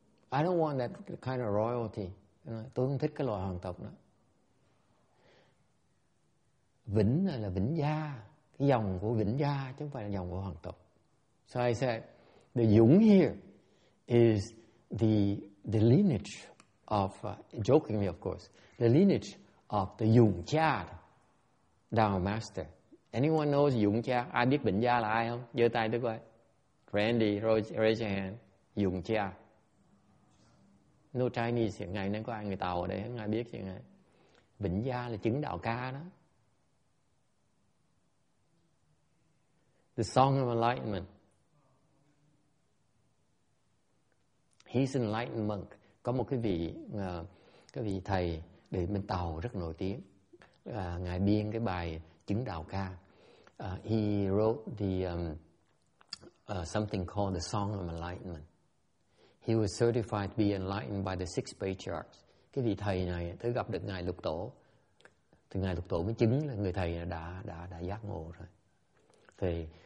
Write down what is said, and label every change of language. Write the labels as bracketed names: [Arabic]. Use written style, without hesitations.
[English] I don't want that kind of royalty. [Vietnamese] Tôi không thích cái loại hoàng tộc đó. Vĩnh là vĩnh gia. Cái dòng của vĩnh gia chứ không phải là dòng của hoàng tộc. [English] So I said, the Yung here is the lineage of, jokingly of course, the lineage of the Yung Cha, Dao Master. Anyone knows Yung Cha? [Vietnamese] Ai biết vĩnh gia là ai không? Giơ tay tôi coi. [English] Randy, raise your hand. [Vietnamese] Yung Cha. [English] No Chinese [Vietnamese] hiện nay, nên có ai người Tàu ở đây, không ai biết hiện nay. Vĩnh gia là chứng đạo ca đó. [English] The Song of Enlightenment. He's an enlightened monk. [Vietnamese] Có một cái vị thầy để bên Tàu rất nổi tiếng. Ngài biên cái bài chứng đạo ca. [English] He wrote something called The Song of Enlightenment. He was certified to be enlightened by the six patriarchs. [Vietnamese] Cái vị thầy này tới gặp được ngài Lục Tổ, từ ngài Lục Tổ mới chứng là người thầy đã giác ngộ rồi. Thì